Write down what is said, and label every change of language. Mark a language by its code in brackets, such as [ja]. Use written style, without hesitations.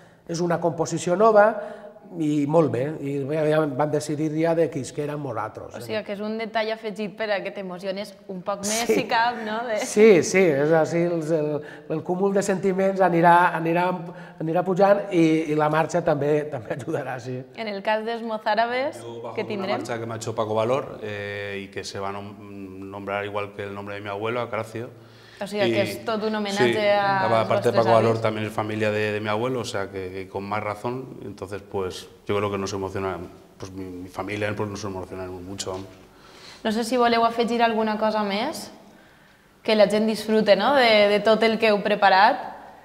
[ca] És una composició nova i molt bé, i van decidir ja de qui eren nosaltres. O sigui, que és un detall afegit per a que t'emociones un poc més, si cap, no? Sí, sí, és així, el cúmul de sentiments anirà pujant i la marxa també ajudarà, sí. En el cas dels mozárabes, què tindrem? Una marxa que m'ha [es] hecho Paco Valor i que se va nombrar igual que el nombre de mi abuelo, Acracio, O sea, que es todo un homenaje, sí, a... Sí, aparte Paco Valor también es familia de mi abuelo, o sea, que con más razón. Entonces, pues, yo creo que nos emociona, pues mi familia, pues nos emociona mucho. [ca] No sé si voleu afegir alguna cosa més, que la gent disfrute, no?, de tot el que heu preparat.